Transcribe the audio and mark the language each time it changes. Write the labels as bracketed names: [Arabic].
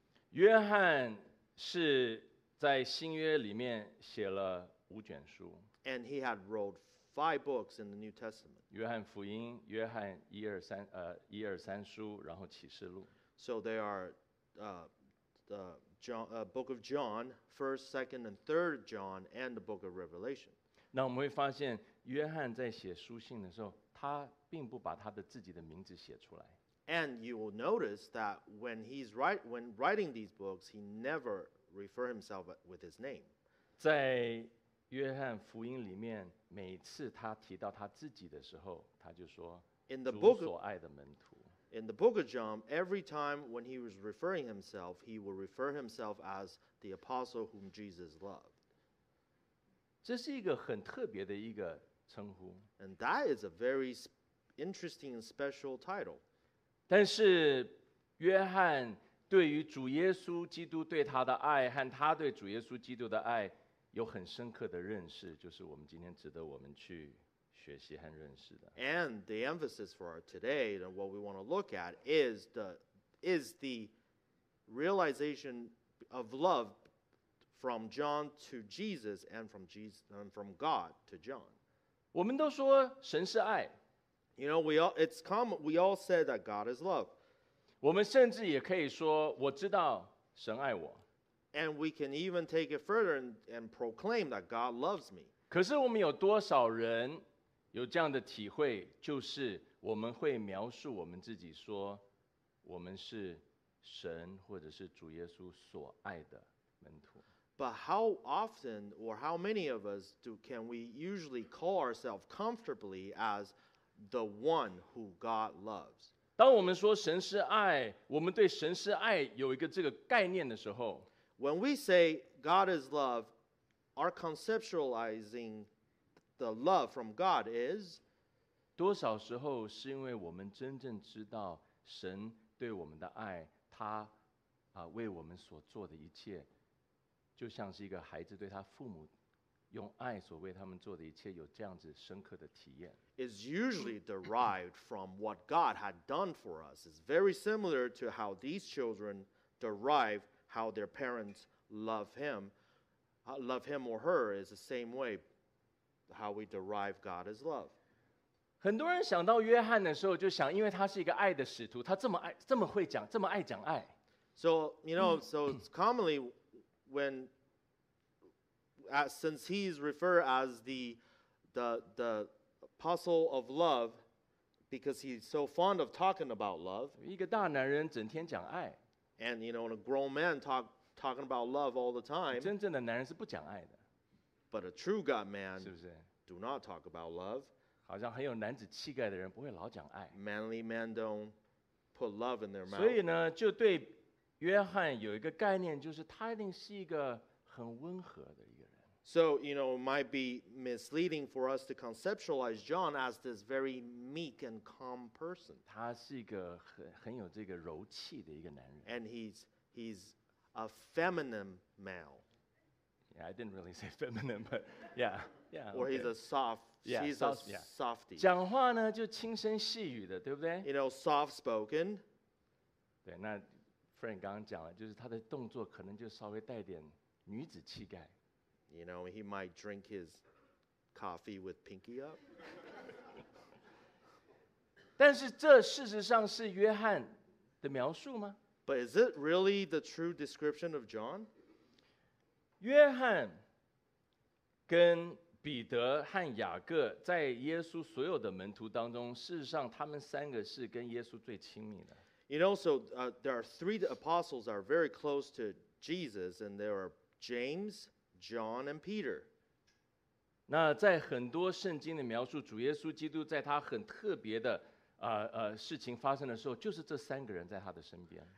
[Chinese] 约翰是在新约里面写了五卷书。 [English] And he had wrote 5 books in the New Testament. [Chinese] 约翰福音、约翰一二三一二三书，然后启示录。 [English] So they are the book of John, 1st, 2nd, and 3rd John, and the book of Revelation. [Chinese] 那我们会发现，约翰在写书信的时候，他并不把他的自己的名字写出来。 [English] And you will notice that when writing these books, he never refers himself with his name. [Chinese] 在约翰福音里面，每次他提到他自己的时候，他就说，主所爱的门徒。 [English] In the book of John, every time when he was referring himself, he would refer himself as the apostle whom Jesus loved. [Chinese] 这是一个很特别的一个称呼。 [English] And that is a very interesting and special title. [Chinese] 但是约翰对于主耶稣基督对他的爱和他对主耶稣基督的爱有很深刻的认识，就是我们今天值得我们去学习和认识的。 [English] And the emphasis for our today and what we want to look at is the realization of love from John to Jesus and from Jesus and from God to John. [Chinese] 我们都说神是爱。 [English] You know, we all said that God is love. [Chinese] 我们甚至也可以说，我知道神爱我。 [English] And we can even take it further and proclaim that God loves me. [Chinese] 可是我们有多少人有这样的体会，就是我们会描述我们自己说，我们是神或者是主耶稣所爱的门徒。 [English] But how often or how many of us can we usually call ourselves comfortably as the one who God loves? [Chinese] 当我们说神是爱，我们对神是爱有一个这个概念的时候， [English] When we say God is love, our conceptualizing the love from God is [Chinese] 多少时候是因为我们真正知道神对我们的爱，他为我们所做的一切就像是一个孩子对他父母用爱所为他们做的一切有这样子深刻的体验。 [English] It's usually derived from what God had done for us. It's very similar to how these children derive how their parents love him or her is the same way how we derive God as love. [Chinese] 很多人想到约翰的时候就想因为他是一个爱的使徒他这么爱这么会讲这么爱讲爱。 [English] So, you know, so it's commonly when since he's referred as the apostle of love because he's so fond of talking about love [Chinese] 一个大男人整天讲爱 [English] and you know a grown man talking about love all the time [Chinese] 真正的男人是不讲爱的 [English] but a true God man [Chinese] 是不是 [English] do not talk about love [Chinese] 好像很有男子气概的人不会老讲爱 [English] manly men don't put love in their mouth [Chinese] 所以呢就对约翰有一个概念就是他一定是一个很温和的一个人 [English] So, you know, it might be misleading for us to conceptualize John as this very meek and calm person. [Chinese] 他是一个很有这个柔气的一个男人。 [English] And he's a feminine male. Yeah, I didn't really say feminine, but yeah. Yeah, or he's a soft, yeah, she's soft, a softy. [Chinese] 讲话呢就轻声细语的，对不对？ [English] You know, soft-spoken. [Chinese] 对，那 Frank 刚刚讲了，就是他的动作可能就稍微带点女子气概。 [English] You know, he might drink his coffee with pinky up. [Chinese] 但是这事实上是约翰的描述吗？ [English] But is it really the true description of John? [Chinese] 约翰跟彼得和雅各在耶稣所有的门徒当中，事实上他们三个是跟耶稣最亲密的。 [English] You know, so there are three apostles that are very close to Jesus, and there are James, John, and Peter. [Chinese] 那在很多圣经的描述，主耶稣基督在他很特别的事情发生的时候，就是这三个人在他的身边。